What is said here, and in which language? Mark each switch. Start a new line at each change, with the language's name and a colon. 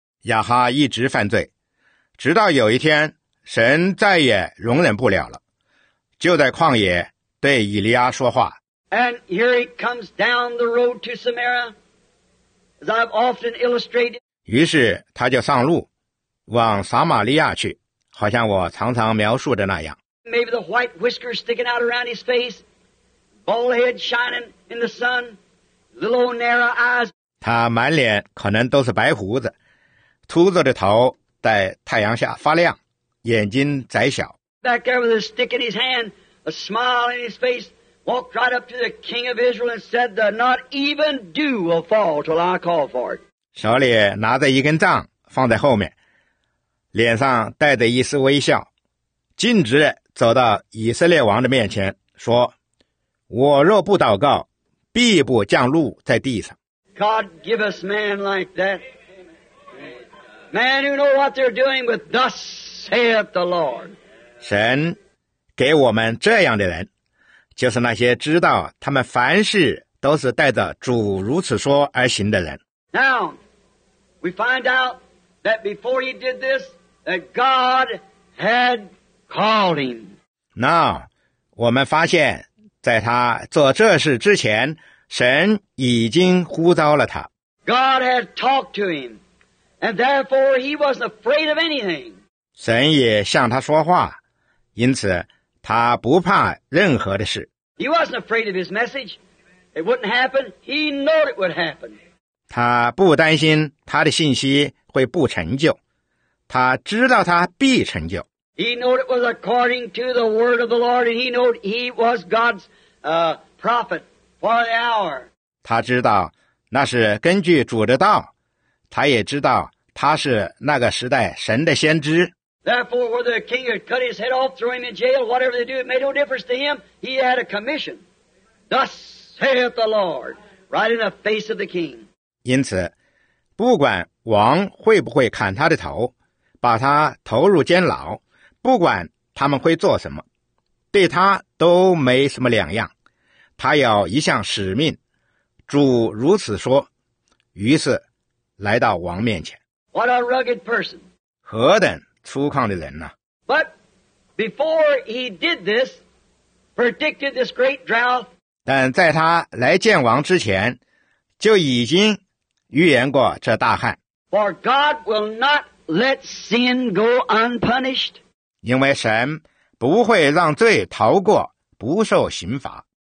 Chinese: 亚哈一直犯罪，直到有一天神再也容忍不了了，就在旷野对以利亚说话。
English: And here he comes down the road to Samaria, as I've often illustrated.
Chinese: 于是他就上路往撒玛利亚去，好像我常常描述的那样。
English: Maybe the white whiskers sticking out around his face, bald head shining in the sun, little old narrow eyes.
Chinese: 他满脸可能都是白胡子，秃着的头在太阳下发亮，眼睛窄小。
English: Back there with a stick in his hand, a smile in his face, walked right up to the king of Israel and said, "Not even dew will fall till I call for it."
Chinese: 手里拿着一根杖放在后面，脸上带着一丝微笑，径直走到以色列王的面前，说：“我若不祷告，必不降露在地上。”
English: God give us man like that. Man who know what they're doing, but thus saith the Lord.
Chinese: 神给我们这样的人，就是那些知道他们凡事都是带着主如此说而行的人。
English: Now, we find out that before he did this, that God had called him. Now,
Chinese: 我们发现在他做这事之前，神已经呼召了他。
English: God had talked to him. And therefore, he wasn't afraid of anything.
Chinese: 神也向他说话，因此他不怕任何的事。
English: He wasn't afraid of his message. It wouldn't happen. He knew it would happen.
Chinese: 他不担心他的信息会不成就，他知道他必成就。
English: He knew it was according to the word of the Lord, and he knew he was God's prophet for the hour.
Chinese: 他知道那是根据主的道。他也知道他是那个时代神的先知。
English: Therefore, whether the king had cut his head off, throw him in jail, whatever they do, it made no difference to him. He had a commission. Thus saith the Lord, right in the face of the king.
Chinese: 因此，不管王会不会砍他的头，把他投入监牢，不管他们会做什么，对他都没什么两样。他有一项使命，主如此说。于是。来到王面前。
English: What a rugged person.
Chinese: 何等粗犷的人呢。
English: But before he did this, predicted this great drought.
Chinese: 但在他来见王之前，就已经预言过这大旱。
English: For God will not let sin go unpunished.
Chinese: 因为神不会让罪逃过不受刑罚。